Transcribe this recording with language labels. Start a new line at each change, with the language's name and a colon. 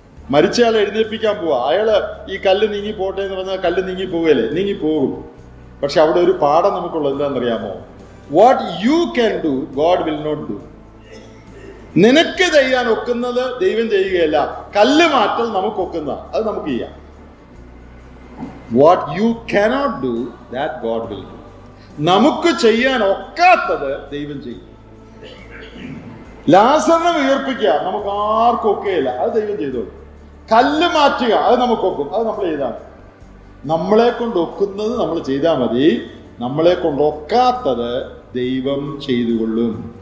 Malayalam: മരിച്ചയാളെ എഴുന്നേൽപ്പിക്കാൻ പോവാ, അയാള് ഈ കല്ല് നീങ്ങി പോട്ടെ എന്ന് പറഞ്ഞാൽ കല്ല് നീങ്ങി പോവുകയല്ലേ? നീങ്ങി പോകും. പക്ഷെ അവിടെ ഒരു പാഠം നമുക്കുള്ളത് എന്താണെന്നറിയാമോ?
English: What you can do God will not do.
Malayalam: നിനക്ക് ചെയ്യാൻ ഒക്കുന്നത് ദൈവം ചെയ്യുകയല്ല, കല്ല് മാറ്റൽ നമുക്കൊക്കുന്ന അത് നമുക്ക് ചെയ്യാം.
English: What you cannot do, that God will do.
Malayalam: നമുക്ക് ചെയ്യാൻ ഒക്കാത്തത് ദൈവം ചെയ്യും. ലാസറിനെ ഉയർപ്പിക്കുക നമുക്ക് ആർക്കും ഒക്കെയില്ല, അത് ദൈവം ചെയ്തോളൂ. കല്ല് മാറ്റുക അത് നമുക്കൊക്കും, അത് നമ്മൾ ചെയ്താൽ മതി. നമ്മളെ കൊണ്ട് ഒക്കുന്നത് നമ്മൾ ചെയ്താൽ മതി, നമ്മളെ കൊണ്ട് ഒക്കാത്തത് ദൈവം ചെയ്തുകൊള്ളും.